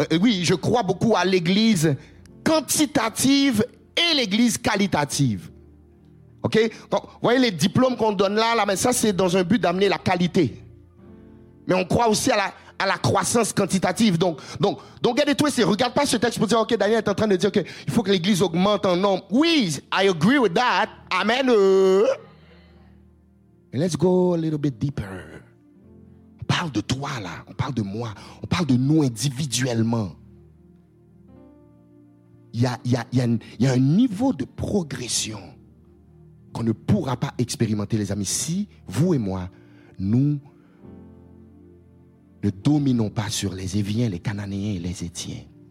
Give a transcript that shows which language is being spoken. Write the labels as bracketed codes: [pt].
[fr] Oui, je crois beaucoup à l'église quantitative et l'église qualitative. OK? Donc, vous voyez les diplômes qu'on donne là, mais ça, c'est dans un but d'amener la qualité. Mais on croit aussi à la croissance quantitative. Donc, regardez-toi ici. Regarde pas ce texte pour dire, OK, Daniel est en train de dire qu'il okay, faut que l'église augmente en nombre. [en] Oui, I agree with that. Amen. Let's go a little bit deeper. [fr] On parle de toi là, on parle de moi, on parle de nous individuellement. Il y a un niveau de progression qu'on ne pourra pas expérimenter, les amis, si vous et moi, nous ne dominons pas sur les Éviens, les Cananéens et les Éthiens.